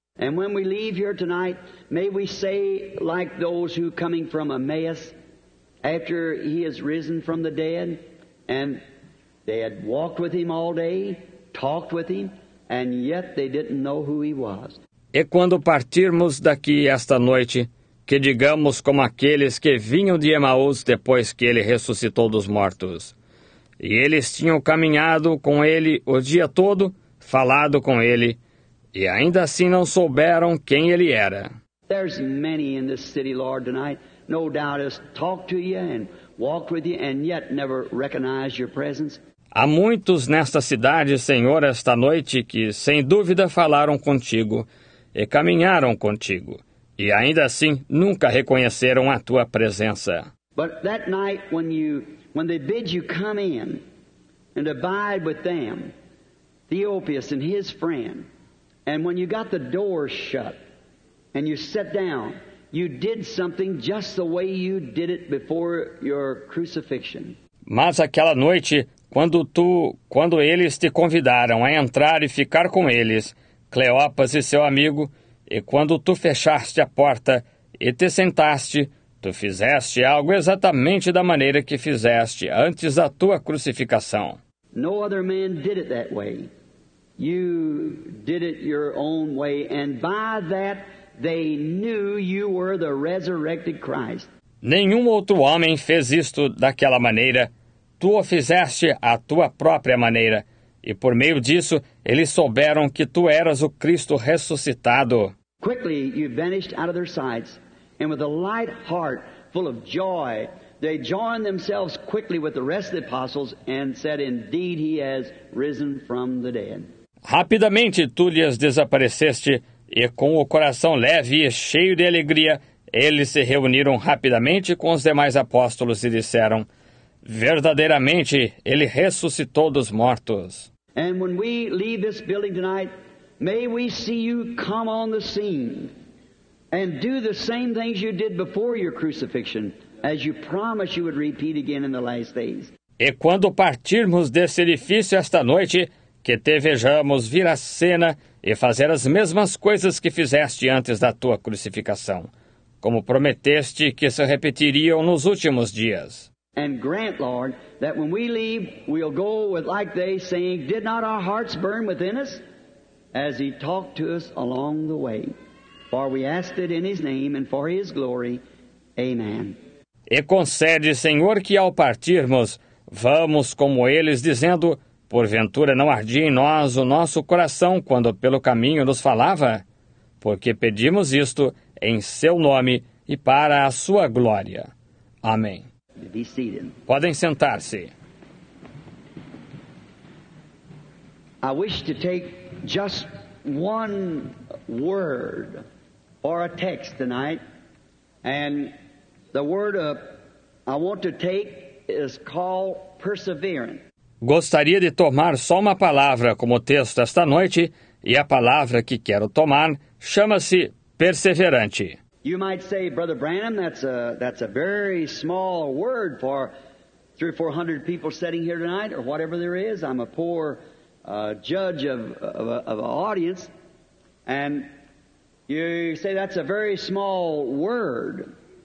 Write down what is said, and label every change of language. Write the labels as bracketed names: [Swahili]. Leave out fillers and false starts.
[English] And when we leave here tonight, may we say like those who coming from Emmaus, after he has risen from the dead, and they had walked with him all day, talked with him, and yet they didn't know who he was. [Portuguese] E quando partirmos daqui esta noite, que digamos como aqueles que vinham de Emaús depois que ele ressuscitou dos mortos. E eles tinham caminhado com ele o dia todo, falado com ele, e ainda assim não souberam quem ele era. [English] There's many in this city, Lord, tonight, no doubt has talked to you and walked with you and yet never recognized your presence. [Portuguese] Há muitos nesta cidade, Senhor, esta noite, que sem dúvida falaram contigo e caminharam contigo. E ainda assim, nunca reconheceram a tua presença. [English] But that night when they bid you come in and abide with them, Theopius and his friend, and when you got the door shut and you sat down, you did something just the way you did it before your crucifixion. [Portuguese] Mas aquela noite, quando eles te convidaram a entrar e ficar com eles, Cleopas e seu amigo, e quando tu fechaste a porta e te sentaste, tu fizeste algo exatamente da maneira que fizeste antes da tua crucificação. [English] No other man did it that way. You did it your own way, and by that they knew you were the resurrected Christ. [Portuguese] Nenhum outro homem fez isto daquela maneira. Tu o fizeste à tua própria maneira, e por meio disso eles souberam que tu eras o Cristo ressuscitado. [English] Quickly you vanished out of their sights, and with a light heart full of joy, they joined themselves quickly with the rest of the apostles and said, indeed he has risen from the dead. [Portuguese] Rapidamente tu lhes desapareceste, e com o coração leve e cheio de alegria, eles se reuniram rapidamente com os demais apóstolos e disseram, verdadeiramente ele ressuscitou dos mortos. [English] And when we leave this building tonight, May we see you come on the scene and do the same things you did before your crucifixion, as you promised you would repeat again in the last days. [Portuguese] E quando partirmos desse edifício esta noite, que te vejamos vir à cena e fazer as mesmas coisas que fizeste antes da tua crucificação, como prometeste que se repetiriam nos últimos dias. [English] And grant, Lord, that when we leave, we'll go with like they saying, did not our hearts burn within us as he talked to us along the way? For we ask it in his name and for his glory. Amen. [Portuguese] E concede, Senhor, que ao partirmos, vamos como eles, dizendo, porventura não ardia em nós o nosso coração quando pelo caminho nos falava? Porque pedimos isto em seu nome e para a sua glória. Amém. [English] Be seated. [Portuguese] Podem sentar-se. [English] I wish to take just one word or a text tonight, and the word I want to take is called perseverance. [Portuguese] Gostaria de tomar só uma palavra como texto esta noite, e a palavra que quero tomar chama-se perseverante. [English] You might say, Brother Branham, that's a very small word for 300 or 400 people sitting here tonight, or whatever there is. I'm a poor judge of an audience, and you say that's a very small word.